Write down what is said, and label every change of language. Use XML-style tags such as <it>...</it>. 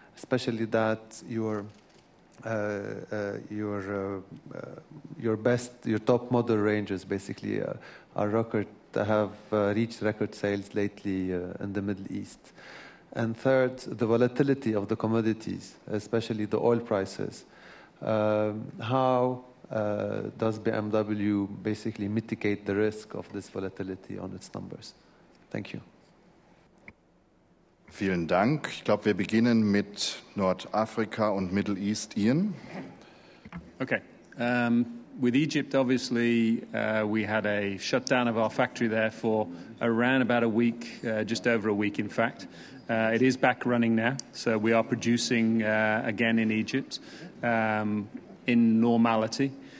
<en>Especially that your top model ranges basically have reached record sales lately in the Middle East. And third, the volatility of the commodities, especially the oil prices. How does BMW basically mitigate the risk of this volatility on its numbers? Thank you.</en> <de>Vielen Dank. Ich glaube, wir beginnen mit Nordafrika und Middle East. Ian?</de> <en>Okay. With Egypt, obviously, we had a shutdown of our factory there for around about a week, just over a week, in fact. It is back running now, so we are producing again in Egypt in normality.</en>